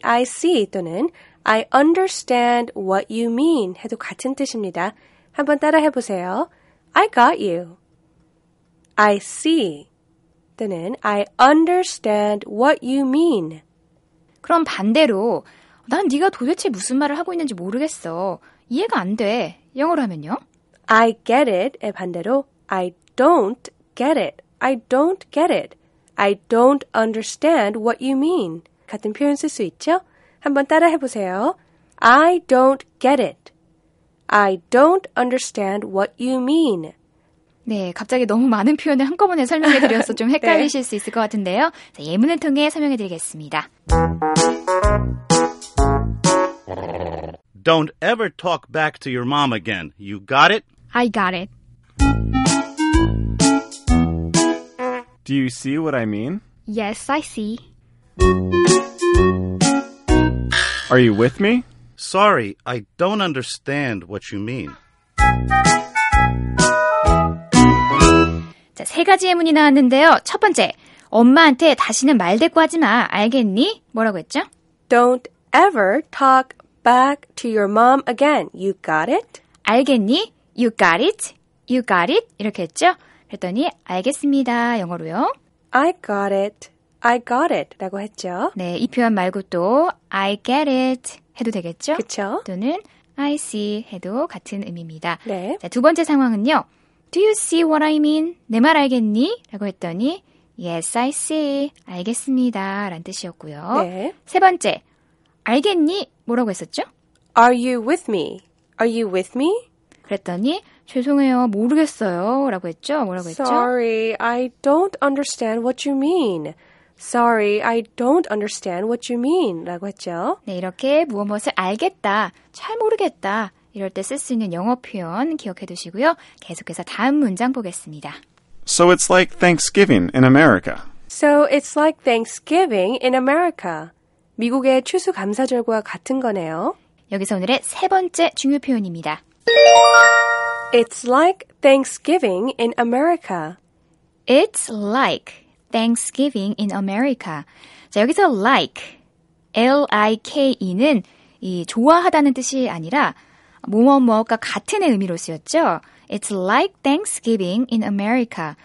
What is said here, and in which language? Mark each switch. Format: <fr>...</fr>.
<en>I see</en> <ko>또는</ko> <en>I understand what you mean</en> <ko>해도 같은 뜻입니다. 한번 따라해 보세요.</ko> <en>I got you. I see.</en> <ko>또는</ko> <en>I understand what you mean.</en> <ko>그럼 반대로 난 네가 도대체 무슨 말을 하고 있는지 모르겠어. 이해가 안 돼. 영어로 하면요?</ko> <en>I get it</en> <ko>의 반대로</ko> <en>I don't get it. I don't get it. I don't understand what you mean.</en> <ko>같은 표현 쓸 수 있죠? 한번 따라해 보세요.</ko> <en>I don't get it. I don't understand what you mean.</en> <ko>네, 갑자기 너무 많은 표현을 한꺼번에 설명해 드려서 좀 헷갈리실 네. 수 있을 것 같은데요. 자, 예문을 통해 설명해 드리겠습니다.</ko> <en>Don't ever talk back to your mom again. You got it? I got it. Do you see what I mean? Yes, I see. Are you with me? Sorry, I don't understand what you mean.</en> <ko>자, 세 가지 예문이 나왔는데요. 첫 번째, 엄마한테 다시는 말대꾸하지 마. 알겠니? 뭐라고 했죠?</ko> <en>Don't ever talk back to your mom again. You got it?</en> <ko>알겠니?</ko> <en>You got it? You got it?</en> <ko>이렇게 했죠? 그랬더니 알겠습니다. 영어로요.</ko> <en>I got it. I got it</en> <ko>라고 했죠. 네, 이 표현 말고 또</ko> <en>I get it</en> <ko>해도 되겠죠? 그쵸? 또는</ko> <en>I see</en> <ko>해도 같은 의미입니다. 네. 자, 두 번째 상황은요.</ko> <en>Do you see what I mean?</en> <ko>내 말 알겠니? 라고 했더니</ko> <en>Yes, I see.</en> <ko>알겠습니다. 라는 뜻이었고요. 네. 세 번째, 알겠니? 뭐라고 했었죠?</ko> <en>Are you with me? Are you with me?</en> <ko>그랬더니 죄송해요. 모르겠어요. 라고 했죠. 뭐라고 했죠?</ko> <en>Sorry, I don't understand what you mean. Sorry, I don't understand what you mean.</en> <ko>라고 했죠. 네, 이렇게 무엇을 알겠다, 잘 모르겠다 이럴 때 쓸 수 있는 영어 표현 기억해 두시고요. 계속해서 다음 문장 보겠습니다.</ko> <en>So it's like Thanksgiving in America. So it's like Thanksgiving in America.</en> <ko>미국의 추수감사절과 같은 거네요. 여기서 오늘의 세 번째 중요 표현입니다.</ko> <en>It's like Thanksgiving in America. It's like Thanksgiving in America.</en> <ko>자, 여기서 like, L-I-K-E는 이 좋아하다는 뜻이 아니라 뭐뭐뭐가 같은 의미로 쓰였죠.</ko> <en>It's like Thanksgiving in America.</en>